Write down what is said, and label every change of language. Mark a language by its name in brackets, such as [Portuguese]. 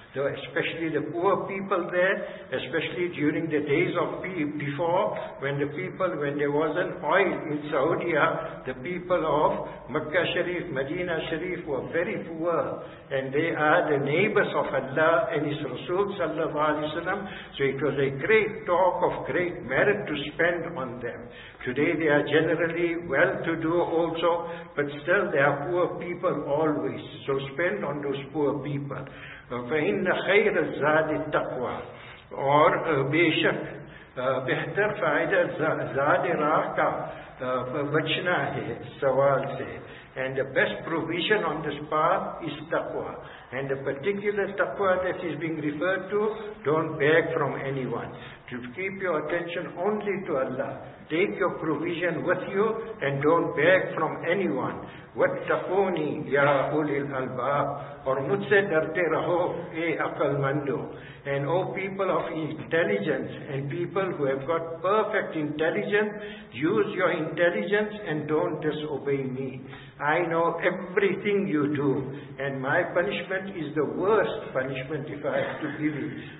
[English] So especially the poor people there, especially during the days of before, when there was an oil in Saudia, the people of Makkah Sharif, Medina Sharif were very poor, and they are the neighbors of Allah and His Rasul Sallallahu Alaihi Wasallam. So it was a great talk of great merit to spend on them. Today they are generally well-to-do also, but still they are poor people always. So spend on those poor people. [Arabic] فَإِنَّ خَيْرَ الزَّادِ التَّقْوَى [Urdu] اور بے شک بہتر فائدہ زاد راہ کا بچنا ہے سوال سے. [English] And the best provision on this path is taqwa. And the particular taqwa that is being referred to, don't beg from anyone. To keep your attention only to Allah. Take your provision with you and don't beg from anyone. [Arabic] وَاتَّقُونِ يَا أُولِي الْأَلْبَابِ [Urdu] اور مجھ سے ڈرتے رہو اے عقل مندو. [English] And O people of intelligence and people who have got perfect intelligence, use your intelligence and don't disobey me. I know everything you do and my punishment is the worst punishment if I have to give it.